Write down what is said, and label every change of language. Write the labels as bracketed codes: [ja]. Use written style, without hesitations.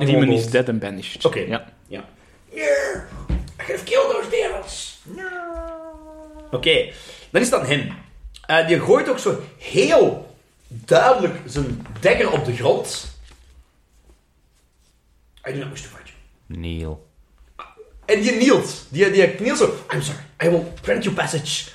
[en] die demon is dead and banished. Oké, okay. Ja. Yeah. I have killed those devils. No. [nl] Oké, okay. Dan is dat hem. Die gooit ook zo heel duidelijk zijn dagger op de grond. [en] I do not wish to fight you. Kneel. [nl] En die knielt. Die knielt zo. [en] I'm sorry, I will grant you passage.